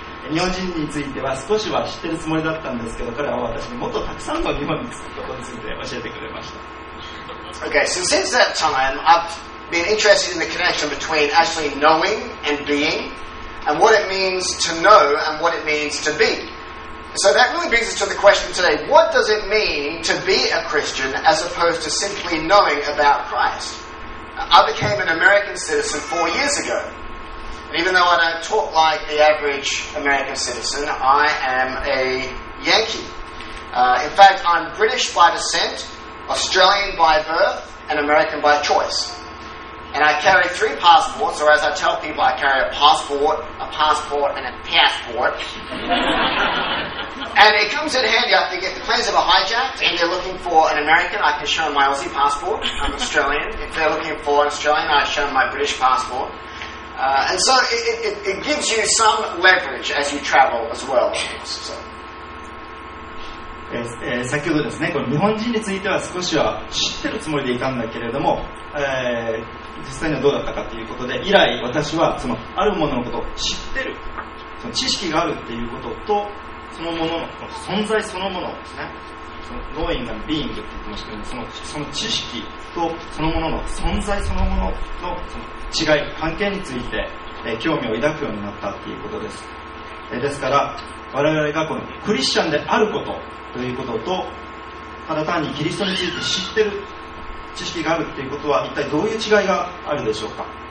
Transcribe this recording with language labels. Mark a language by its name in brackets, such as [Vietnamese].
[Japanese] 日本人については少しは知ってるつもりだったんですけど、彼は私にもっとたくさんの日本について教えてくれました。 [English] Okay, so since that time I've been interested in the connection between actually knowing and being and what it means to know and what it means to beSo that really brings us to the question today. What does it mean to be a Christian as opposed to simply knowing about Christ? I became an American citizen 4 years ago. And even though I don't talk like the average American citizen, I am a Yankee. In fact, I'm British by descent, Australian by birth and American by choice. And I carry three passports, or as I tell people, I carry a passport, and a passport. And it comes in handy, I think, if the planes ever hijacked and they're looking for an American, I can show them my Aussie passport. I'm Australian. If they're looking for an Australian, I show them my British passport. And so it gives you some leverage as you travel as well. So. [Japanese] 先ほどですね、この日本人については少しは知ってるつもりでいたんだけれども、実際にはどうだったかということで、以来私はそのあるもののことを知ってる、その知識があるっていうこととそのものの存在そのものですね、その [English] knowing and being [Japanese] って言ってましたけど、その知識とそのものの存在そのもの の, その違い関係について、興味を抱くようになったということです、ですから我々がこのクリスチャンであることということと、ただ単にキリストについて知ってる知識があるということは一体どういう違いがあるでしょうか。